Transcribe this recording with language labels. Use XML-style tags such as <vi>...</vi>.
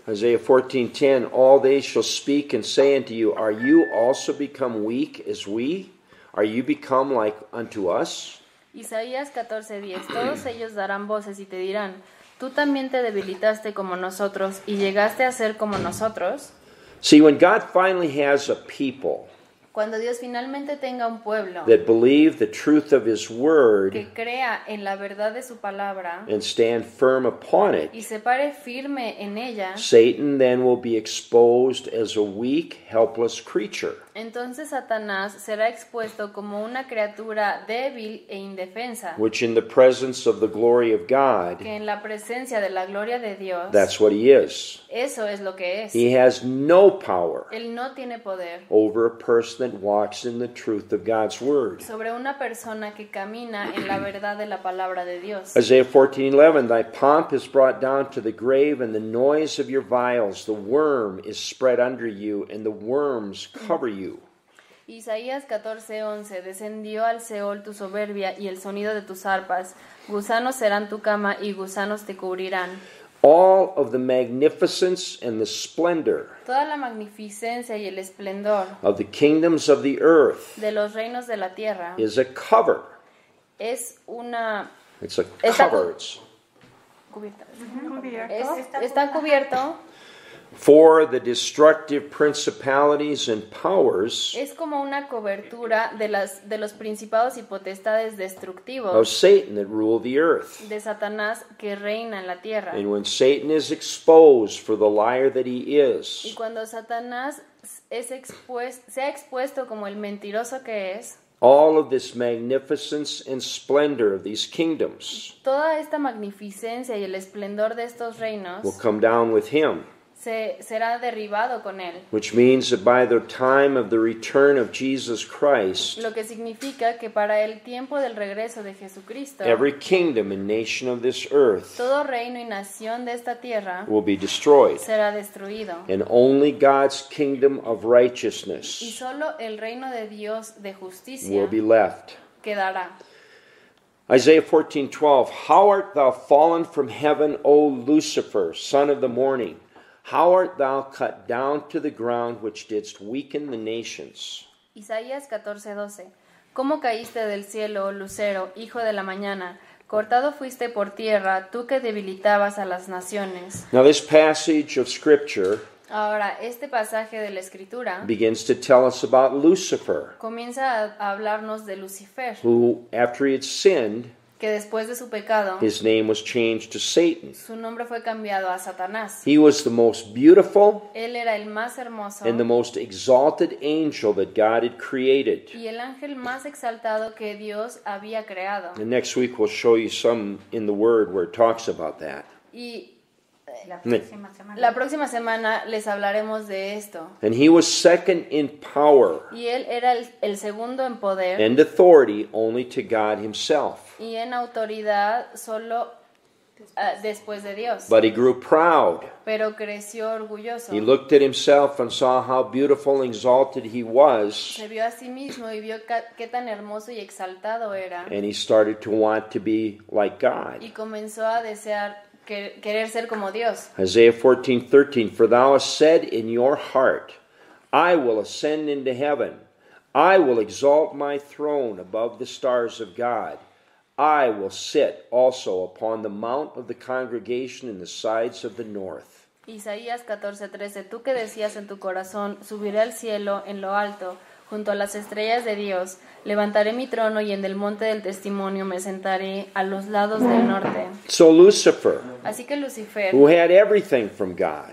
<en>Isaiah 14:10, all they shall speak and say unto you, are you also become weak as we? Are you become like unto us?</en> <es>Isaías 14:10, todos ellos darán voces y te dirán, tú también te debilitaste como nosotros y llegaste a ser como nosotros.</es> <en>See, when God finally has a people,</en> <es>cuando Dios finalmente tenga un pueblo,</es> <en>that believe the truth of his word,</en> <es>que crea en la verdad de su palabra,</es> <en>and stand firm upon it,</en> <es>y se pare firme en ella,</es> <en>Satan then will be exposed as a weak, helpless creature.</en> <es>Entonces Satanás será expuesto como una criatura débil e indefensa,</es> <en>which in the presence of the glory of God,</en> <es>que en la presencia de la gloria de Dios,</es> <en>that's what he is.</en> <es>Eso es lo que es.</es> <en>He has no power,</en> <es>él no tiene poder,</es> <en>over a person that walks in the truth of God's word,</en> <es>sobre una persona que camina en la verdad de la palabra de Dios.</es> <en>Isaiah 14:11, thy pomp is brought down to the grave, and the noise of your vials, the worm is spread under you, and the worms cover you.</en> <es>Isaías 14:11, descendió al Seol tu soberbia y el sonido de tus arpas, gusanos serán tu cama y gusanos te cubrirán.</es> <en>All of the magnificence and the splendor,</en> <es>toda la magnificencia y el esplendor,</es> <en>of the kingdoms of the earth,</en> <es>de los reinos de la tierra,</es> <en>is a cover,</en> <es>es una,</es> <en>it's a cover, it's</en> <es>cubierto, está cubierto.</es> <en>For the destructive principalities and powers,</en> <es>es como una cobertura de los principados y potestades destructivos,</es> <en>of Satan that rule the earth,</en> <es>de Satanás que reina en la tierra.</es> <en>And when Satan is exposed for the liar that he is,</en> <es>y cuando Satanás se ha expuesto como el mentiroso que es,</es> <en>all of this magnificence and splendor of these kingdoms,</en> <es>toda esta magnificencia y el esplendor de estos reinos,</es> <en>will come down with him.</en> <es>Será derribado con él.</es> <en>Which means that by the time of the return of Jesus Christ,</en> <es>lo que significa que para el tiempo del regreso de Jesucristo,</es> <en>every kingdom and nation of this earth,</en> <es>todo reino y nación de esta tierra,</es> <en>will be destroyed.</en> <es>Será destruido.</es> <en>And only God's kingdom of righteousness,</en> <es>y solo el reino de Dios de justicia,</es> <en>will be left.</en> <es>Quedará.</es> <en>Isaiah 14:12, how art thou fallen from heaven, O Lucifer, son of the morning? How art thou cut down to the ground which didst weaken the nations?</en> <es>Isaías 14:12. ¿Cómo caíste del cielo, Lucero, hijo de la mañana? Cortado fuiste por tierra, tú que debilitabas a las naciones.</es> <en>Now this passage of scripture,</en> <es>ahora, este pasaje de la escritura,</es> <en>begins to tell us about Lucifer.</en> <es>Comienza a hablarnos de Lucifer.</es> <en>Who, after he had sinned,</en> <es>que después de su pecado,</es> <en>his name was changed to Satan.</en> <es>Su nombre fue cambiado a Satanás.</es> <en>He was the most beautiful,</en> <es>él era el más hermoso,</es> <en>and the most exalted angel that God had created.</en> <es>Y el ángel más exaltado que Dios había creado.</es> <en>And next week we'll show you some in the Word where it talks about that.</en> <es>Y La próxima semana les hablaremos de esto.</es> <en>And he was second in power.</en> <es>Y él era el segundo en poder.</es> <en>And authority only to God himself.</en> <es>Y en autoridad solo después de Dios.</es> <en>But he grew proud.</en> <es>Pero creció orgulloso.</es> <en>He looked at himself and saw how beautiful and exalted he was.</en> <es>Se vio a sí mismo y vio qué tan hermoso y exaltado era.</es> <en>And he started to want to be like God.</en> <es>Y comenzó a desear querer ser como Dios.</es> <en>Isaiah 14:13, for thou hast said in your heart, I will ascend into heaven, I will exalt my throne above the stars of God, I will sit also upon the mount of the congregation in the sides of the north.</en> <es>Isaías 14:13, tú que decías en tu corazón, subiré al cielo en lo alto, junto a las estrellas de Dios, levantaré mi trono y en el monte del testimonio me sentaré a los lados del norte.</es> <en>So Lucifer,</en> <es>así que Lucifer,</es> <en>who had everything from God,</en>